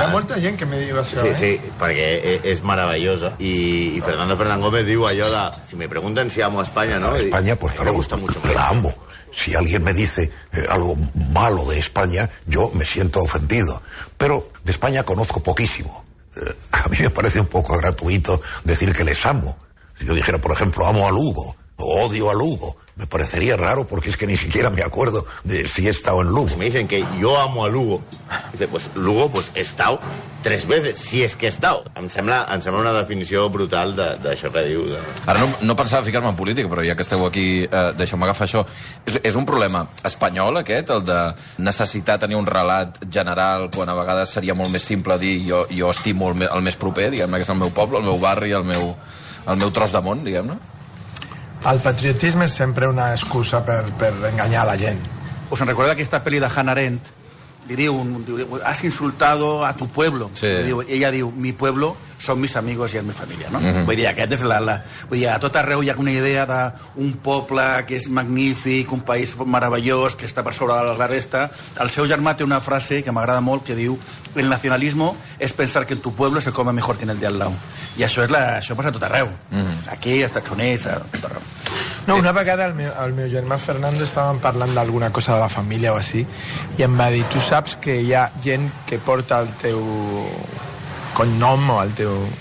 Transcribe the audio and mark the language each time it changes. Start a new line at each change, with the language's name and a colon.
Catalan: Hi ha molta gent que me diu això, sí, eh? Sí, perquè és meravellosa. I Fernando Fernández Gómez diu allò de... Si me pregunten si amo a Espanya, no?
Spanish: Espanya, pues claro, la amo. Si alguien me dice algo malo de España, yo me siento ofendido. Pero de España conozco poquísimo. A mí me parece un poco gratuito decir que les amo. Si yo dijera, por ejemplo, amo a Lugo, o odio a Lugo... Me parecería raro porque es que ni siquiera me acuerdo de si he estado en Lugo. Pues me dicen que yo amo a Lugo. Dice, pues Lugo, pues he estado tres veces, si es que he estado.
Catalan: Em sembla una definició brutal d'això que diu. Ara no pensava ficar-me en política, però ja que esteu aquí, deixeu-me agafar això. És un problema espanyol, aquest, el de necessitar tenir un relat general, quan a vegades seria molt més simple dir jo estimo el més proper, diguem-ne, que és el meu poble, el meu barri, el meu tros de món, diguem-ne? El patriotisme és sempre una excusa per enganyar la gent. Us en recordeu aquesta pel·li de Hannah Arendt? Li diu,
Spanish: has insultado a tu pueblo. Sí.
Catalan: I ella diu,
Spanish: mi pueblo son mis amigos y es mi familia.
Catalan: No? Mm-hmm. Vull dir, aquest és la... Vull dir, a tot arreu hi ha una idea d'un poble que és magnífic, un país meravellós, que està per sobre de la resta. El seu germà té una frase que m'agrada molt, que diu,
Spanish: el nacionalismo es pensar que en tu pueblo se come mejor que en el de al lado.
Catalan: I això és això passa a tot arreu. Mm-hmm. Aquí, als Estats Units, a tot arreu. No, una vegada el meu germà Fernando estàvem parlant d'alguna cosa de la família o així, i em va dir, tu saps que hi ha gent que porta el teu cognom o el teu...